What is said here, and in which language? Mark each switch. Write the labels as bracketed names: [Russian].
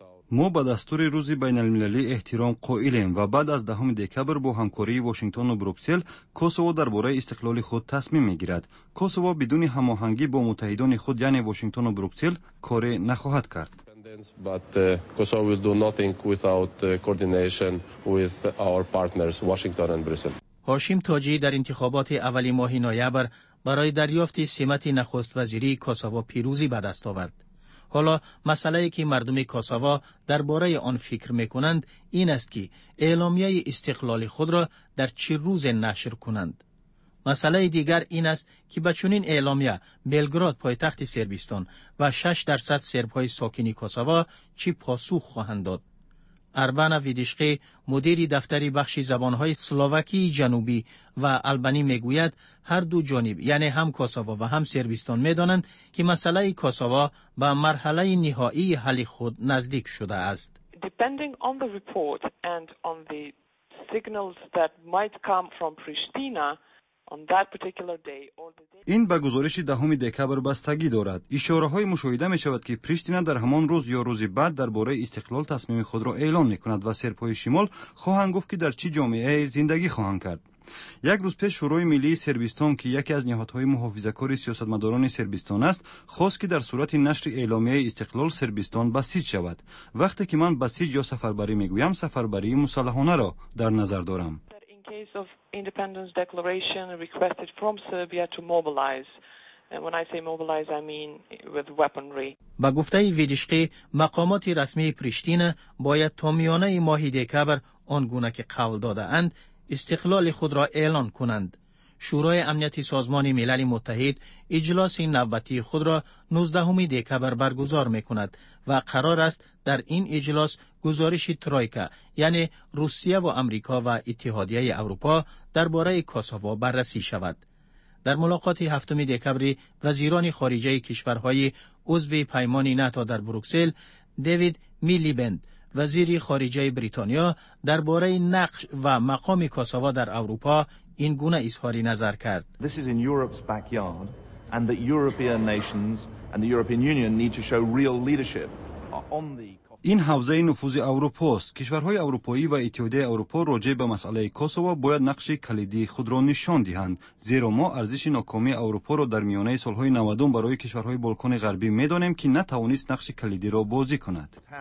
[Persian] ما به دستور روز بین المللی احترام قائلیم و بعد از 10 دکبر با همکاری واشنگتن و بروکسل کوسوو درباره استقلال خود تصمیم میگیرد. کوسوو بدون هماهنگی با متحدان خود یعنی واشنگتن و بروکسل کاری نخواهد کرد. [English] But Kosovo will do nothing without coordination with our partners, Washington and Brussels. [Persian] هاشم تاجی در انتخابات اولی ماه نوامبر برای دریافت سمت نخست وزیری کوسوو پیروزی به دست آورد. حالا مسئله ای که مردم کوسوو درباره آن فکر میکنند این است که اعلامیه استقلال خود را در چه روز نشر کنند. مسئله دیگر این است که به چنین اعلامیه بلگراد پایتخت سربستان و 6% سربهای ساکنی کوسوو چی پاسخ خواهند داد. اربانا ویدیشقی مدیر دفتر بخش زبانهای سلوواکی جنوبی و البانی میگوید هر دو جانب یعنی هم کوسوو و هم سربستان میدانند که مسئله کوسوو به مرحله نهایی حل خود نزدیک شده است. [English] Depending on the report and on the signals that might come from Pristina on that particular day or the day [Persian] این به گزارش 10 دکبر بستگی دارد. اشاره های مشاهده می شود که پریشتینا در همان روز یا روزی بعد درباره استقلال تصمیم خود را اعلان می کند و سرپای شمال خواهند گفت که در چه جامعه زندگی خواهند کرد. یک روز پیش شورای ملی سربستان که یکی از نهادهای محافظه‌کار سیاستمداران سربستان است خواست که در صورت نشر اعلامیه استقلال سربستان بسیج شود. وقتی که من بسیج یا سفربری میگویم سفربری مسلحانه را در نظر دارم. [English] Independence declaration requested from Serbia to mobilize. And when I say mobilize, I mean with weaponry. [Persian] با گفته ویدیشقی مقامات رسمی پریشتینا باید تا میانه ماه دکبر آن گونه که قول داده اند استقلال خود را اعلان کنند. شورای امنیت سازمان ملل متحد اجلاس نوبتی خود را 19 دکبر برگزار میکند و قرار است در این اجلاس گزارش ترویکا یعنی روسیه و آمریکا و اتحادیه اروپا درباره کوسوو بررسی شود. در ملاقات 7 دکبر وزیران خارجه کشورهای عضو پیمان ناتو در بروکسل دیوید میلیبند وزیر خارجه بریتانیا درباره نقش و مقام کوسوو در اروپا این گونه اظهار نظر کرد. [English] This is in Europe's backyard and the European nations and the European Union need to show real leadership on the [Persian] این حوزه نفوذ اروپا است. کشورهای اروپایی و اتحادیه اروپا راجع به مسئله کوسوو باید نقش کلیدی خود را نشان دهند، زیرا ما ارزش ناکامی اروپا را در میانه سالهای 90 برای کشورهای بالکان غربی میدانیم که نتوانست نقش کلیدی را بازی کند.